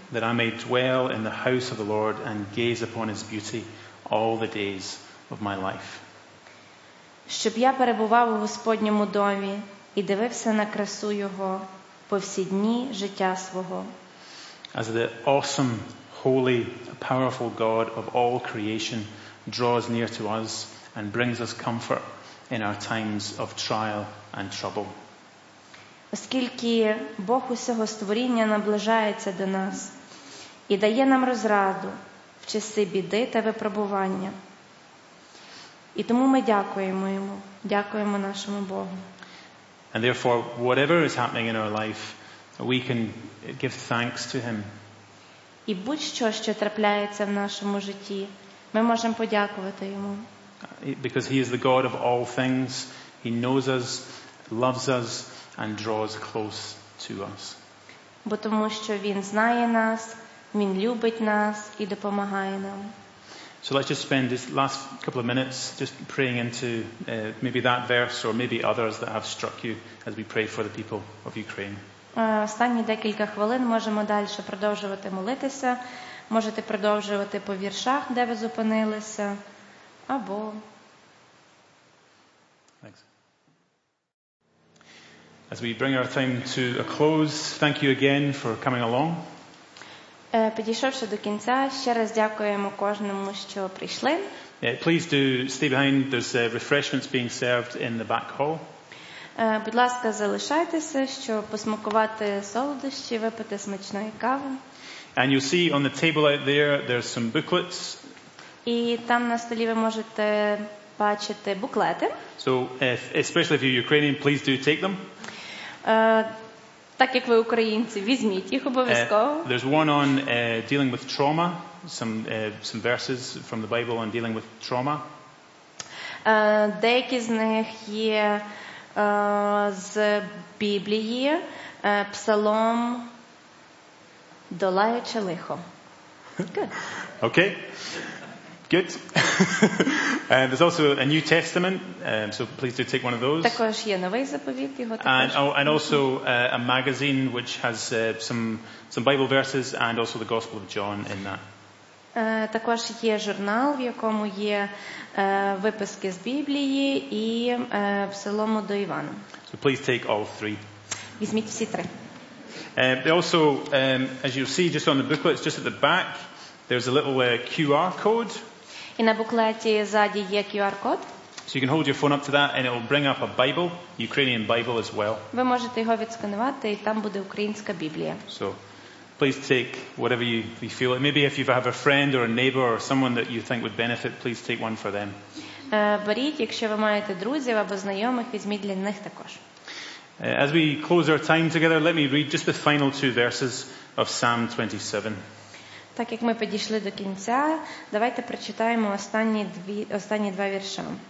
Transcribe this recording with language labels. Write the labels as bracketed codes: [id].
[en] That I may dwell in the house of the Lord and gaze upon His beauty all the days of my life. [uk] Щоб я перебував у Господньому домі і дивився на красу Його по всі дні життя свого. [en] As the awesome, holy, powerful God of all creation draws near to us and brings us comfort in our times of trial and trouble. [uk] Оскільки Бог усього створіння наближається до нас і дає нам розраду в часи біди та випробування. І тому ми дякуємо йому, дякуємо нашому Богу. [en] And therefore, whatever is happening in our life, we can give thanks to him. [uk] І будь-що, що трапляється в нашому житті, ми можемо подякувати йому. [en] Because he is the God of all things, he knows us, loves us, and draws close to us. [uk] Бо тому що він знає нас, він любить нас і допомагає нам. [en] So let's just spend this last couple of minutes just praying into maybe that verse or maybe others that have struck you as we pray for the people of Ukraine. [uk] Останні декілька хвилин можемо далі продовжувати молитися. Можете продовжувати по віршах, де ви зупинилися, або... [en] Thanks. As we bring our time to a close, thank you again for coming along. [uk] Підійшовши до кінця, ще раз дякуємо кожному, що прийшли. [en] Please do stay behind. There's refreshments being served in the back hall. [uk] Будь ласка, залишайтеся, щоб посмакувати солодощі, випити смачної кави. [en] And you'll see on the table out there, there's some booklets. [uk] І там на столі ви можете бачити буклети. [en] So, if, especially if you're Ukrainian, please do take them. [uk] Так як ви українці, візьміть їх обов'язково. [en] There's one on dealing with trauma, some verses from the Bible on dealing with trauma. [uk] Деякі з них є з Біблії, Псалом, долаючи лихо. [en] Good. Okay. Good. And there's also a New Testament, so please do take one of those. [uk] Також є новий заповіт, його також. [en] And also a magazine which has some Bible verses and also the Gospel of John in that. [uk] Також є журнал, в якому є виписки з Біблії і Псалому до Івана. [en] So please take all three. [uk] Візьміть всі три. [en] Also, as you'll see just on the booklets, just at the back, there's a little QR code. [uk] І на буклеті ззаді є QR-код. [en] So you can hold your phone up to that and it will bring up a Bible, Ukrainian Bible as well. [uk] Ви можете його відсканувати і там буде українська Біблія. [en] So please take whatever you feel. Maybe if you have a friend or a neighbor or someone that you think would benefit, please take one for them. [uk] Беріть, якщо ви маєте друзів або знайомих, візьміть для них також. [en] As we close our time together, let me read just the final two verses of Psalm 27. [uk] Так як ми підійшли до кінця, давайте прочитаємо останні два вірша.